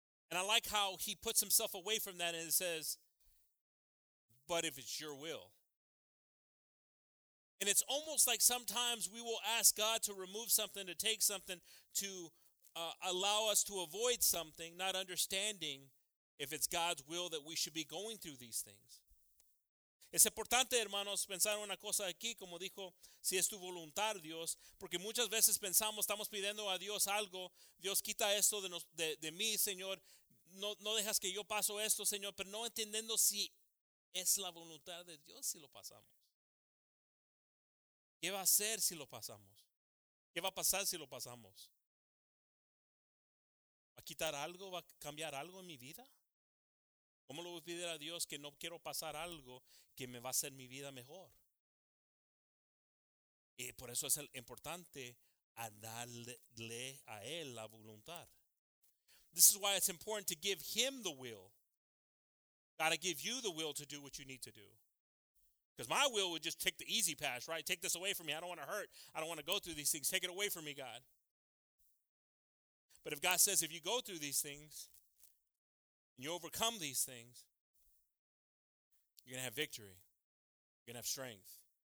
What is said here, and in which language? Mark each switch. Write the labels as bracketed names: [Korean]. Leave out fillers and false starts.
[English] And I like how he puts himself away from that and says, but if it's your will. And it's almost like sometimes we will ask God to remove something, to take something, to allow us to avoid something, not understanding if it's God's will that we should be going through these things. [Spanish] Es importante, hermanos, pensar una cosa aquí, como dijo, si es tu voluntad, Dios, porque muchas veces pensamos, estamos pidiendo a Dios algo, Dios quita esto de mí, Señor, no dejas que yo paso esto, Señor, pero no entendiendo si es la voluntad de Dios si lo pasamos. ¿Qué va a hacer si lo pasamos? ¿Qué va a pasar si lo pasamos? ¿Va a quitar algo? ¿Va a cambiar algo en mi vida? ¿Cómo le voy a pedir a Dios que no quiero pasar algo que me va a hacer mi vida mejor? Y por eso es importante darle a Él la voluntad. [English] This is why it's important to give Him the will. Gotta give you the will to do what you need to do. Because my will would just take the easy pass, right? Take this away from me. I don't want to hurt. I don't want to go through these things. Take it away from me, God. But if God says, if you go through these things, and you overcome these things, you're going to have victory. You're going to have strength.